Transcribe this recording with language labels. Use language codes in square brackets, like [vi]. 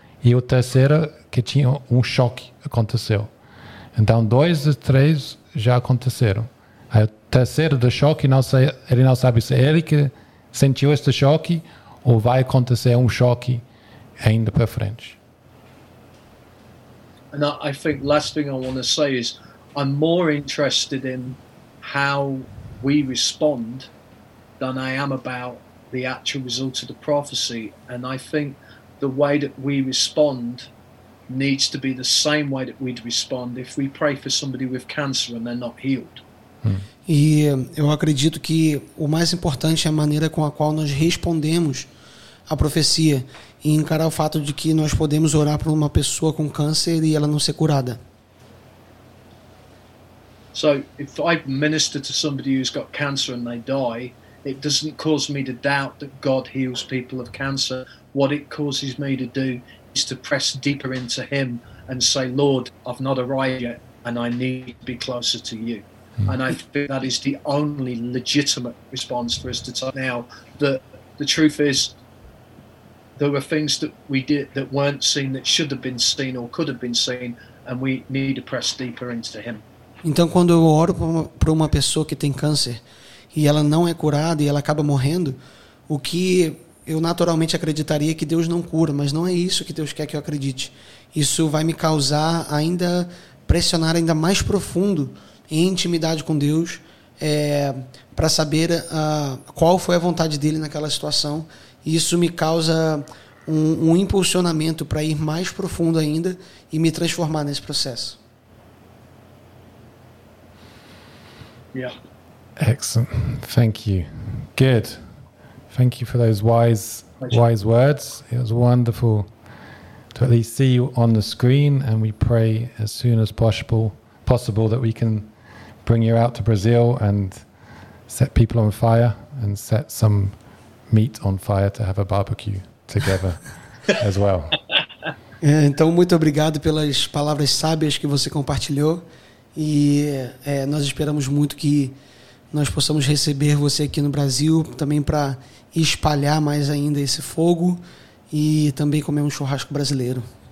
[pt] E o terceiro, que tinha um choque aconteceu. Então, dois dos três já aconteceram. Aí, o terceiro do choque, ele não sabe se é ele que sentiu este choque ou vai acontecer um choque ainda para frente. [en] And I think the last thing I want to say is I'm more interested in how we respond than I am about the actual result of the prophecy. And I think the way that we respond needs to be the same way that we'd respond if we pray for somebody with cancer and they're not healed. [pt] E eu acredito que o mais importante é a maneira com a qual nós respondemos à profecia. e encarar o fato de que nós podemos orar por uma pessoa com câncer e ela não ser curada. [en] So if I minister to somebody who's got cancer and they die, it doesn't cause me to doubt that God heals people of cancer. What it causes me to do is to press deeper into Him and say, Lord, I've not arrived yet and I need to be closer to you. Mm-hmm. And I think that is the only legitimate response for us to talk now. The truth is, there were things that we did that weren't seen that should have been seen or could have been seen, and we need to press deeper into Him. [pt] Então, quando eu oro para uma pessoa que tem câncer e ela não é curada e ela acaba morrendo, o que eu naturalmente acreditaria é que Deus não cura, mas não é isso que Deus quer que eu acredite. Isso vai me causar ainda pressionar ainda mais profundo em intimidade com Deus, para saber qual foi a vontade dEle naquela situação. Isso me causa um impulsionamento para ir mais profundo ainda e me transformar nesse processo. [en] Yeah. Excellent. Thank you. Good. Thank you for those wise words. It was wonderful to at least see you on the screen, and we pray as soon as possible that we can bring you out to Brazil and set people on fire and set some meat on fire to have a barbecue together as well. [pt] Então, muito obrigado pelas palavras sábias que você compartilhou. E nós esperamos muito que nós possamos receber você aqui no Brasil também para espalhar mais ainda esse fogo e também comer um churrasco brasileiro.